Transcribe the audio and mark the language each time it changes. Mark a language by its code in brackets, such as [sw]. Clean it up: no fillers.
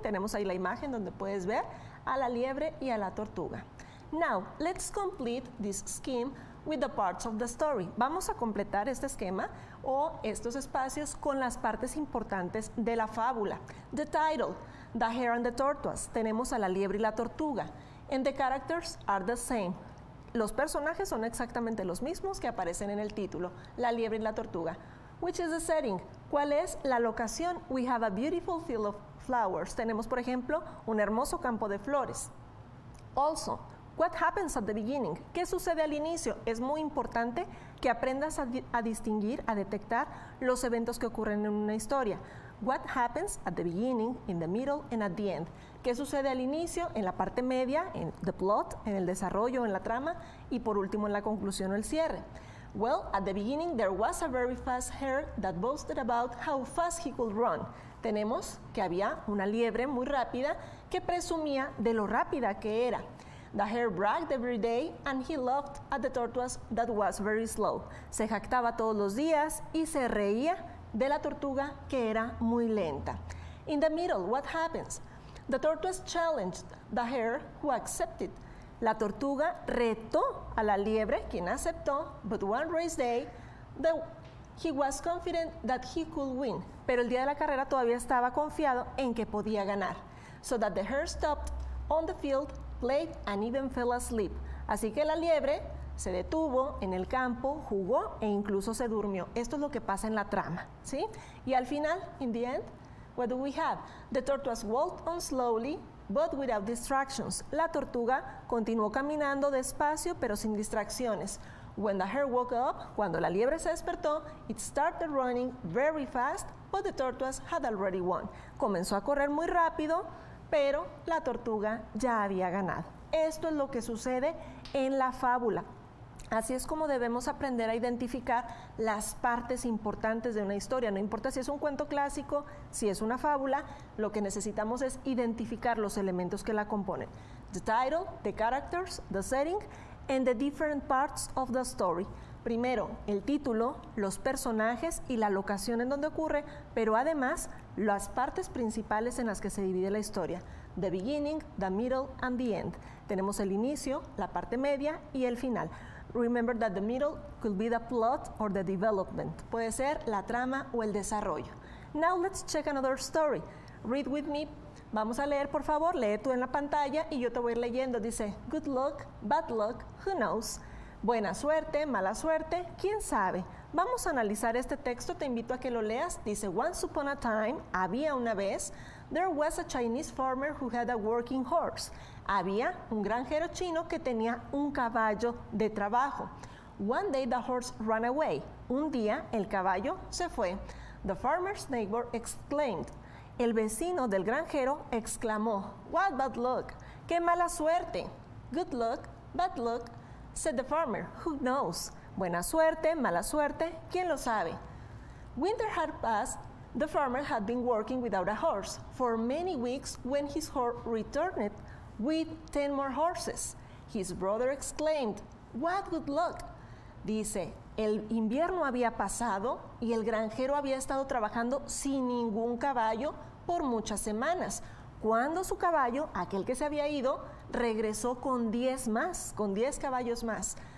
[es] Tenemos ahí la imagen donde puedes ver a la liebre y a la tortuga. [en] Now, let's complete this scheme with the parts of the story. [es] Vamos a completar este esquema o estos espacios con las partes importantes de la fábula. [en] The title, The Hare and the Tortoise. [es] Tenemos a la liebre y la tortuga. [en] And the characters are the same. [es] Los personajes son exactamente los mismos que aparecen en el título, la liebre y la tortuga. [en] Which is the setting? [es] ¿Cuál es la locación? [en] We have a beautiful field of flowers. [es] Tenemos, por ejemplo, un hermoso campo de flores. [en] Also, what happens at the beginning? [es] ¿Qué sucede al inicio? Es muy importante que aprendas a distinguir, a detectar los eventos que ocurren en una historia. [en] What happens at the beginning, in the middle, and at the end? [es] ¿Qué sucede al inicio, en la parte media, en [en] the plot, [es] en el desarrollo, en la trama, y por último en la conclusión o el cierre? [en] Well, at the beginning there was a very fast hare that boasted about how fast he could run. [es] Tenemos que había una liebre muy rápida que presumía de lo rápida que era. [en] The hare bragged every day and he laughed at the tortoise that was very slow. [es] Se jactaba todos los días y se reía de la tortuga que era muy lenta. [en] In the middle, what happens? The tortoise challenged the hare who accepted. [es] La tortuga retó a la liebre, quien aceptó, [en] but one race day, he was confident that he could win. [es] Pero el día de la carrera todavía estaba confiado en que podía ganar. [en] So that the hare stopped on the field, played, and even fell asleep. [es] Así que la liebre se detuvo en el campo, jugó e incluso se durmió. Esto es lo que pasa en la trama, ¿sí? Y al final, [en] in the end, what do we have? The tortoise walked on slowly, but without distractions. [es] La tortuga continuó caminando despacio, pero sin distracciones. [en] When the hare woke up, [es] cuando la liebre se despertó, [en] it started running very fast, but the tortoise had already won. [es] Comenzó a correr muy rápido, pero la tortuga ya había ganado. Esto es lo que sucede en la fábula. Así es como debemos aprender a identificar las partes importantes de una historia. No importa si es un cuento clásico, si es una fábula, lo que necesitamos es identificar los elementos que la componen. [en] The title, the characters, the setting, and the different parts of the story. [es] Primero, el título, los personajes y la locación en donde ocurre, pero además, las partes principales en las que se divide la historia. [en] The beginning, the middle, and the end. [es] Tenemos el inicio, la parte media y el final. [en] Remember that the middle could be the plot or the development. [es] Puede ser la trama o el desarrollo. [en] Now let's check another story. Read with me. [es] Vamos a leer, por favor. Lee tú en la pantalla y yo te voy a ir leyendo. Dice, [en] good luck, bad luck, who knows? [es] Buena suerte, mala suerte, quién sabe. Vamos a analizar este texto. Te invito a que lo leas. [en] Dice, once upon a time, [es] había una vez, [en] there was a Chinese farmer who had a working horse. [es] Había un granjero chino que tenía un caballo de trabajo. [en] One day the horse ran away. [es] Un día el caballo se fue. [en] The farmer's neighbor exclaimed. [es] El vecino del granjero exclamó. [en] What bad luck. [es] Qué mala suerte. [en] Good luck, bad luck, said the farmer. Who knows? [es] Buena suerte, mala suerte, quién lo sabe. [en] Winter had passed. The farmer had been working without a horse for many weeks when his horse returned with 10 more horses. His brother exclaimed, what good luck! [es] Dice, el invierno había pasado y el granjero había estado trabajando sin ningún caballo por muchas semanas, cuando su caballo, aquel que se había ido, regresó con 10 más, con 10 caballos más.